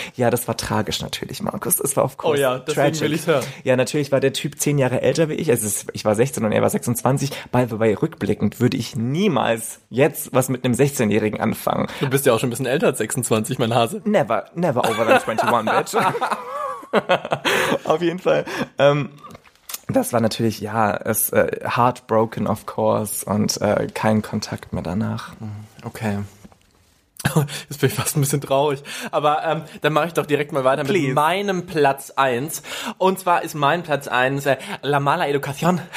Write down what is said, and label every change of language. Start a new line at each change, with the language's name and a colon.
German: Ja, das war tragisch natürlich, Markus. Es war auf Kurs. Oh ja, deswegen will ich hören. Ja, natürlich war der Typ 10 Jahre älter wie ich. Also ich war 16 und er war 26. Bei rückblickend würde ich niemals jetzt was mit einem 16-Jährigen anfangen. Du bist ja auch schon ein bisschen älter als 26, mein Hase.
English: Never, never over than 21, bitch.
German: Auf jeden Fall. Das war natürlich, ja, es
English: heartbroken, of course,
German: und kein Kontakt mehr danach. Okay. Jetzt bin ich fast ein bisschen traurig. Aber dann mache ich doch direkt mal weiter.
English: Please.
German: Mit meinem Platz 1. Und zwar ist mein Platz 1 La Mala Educación.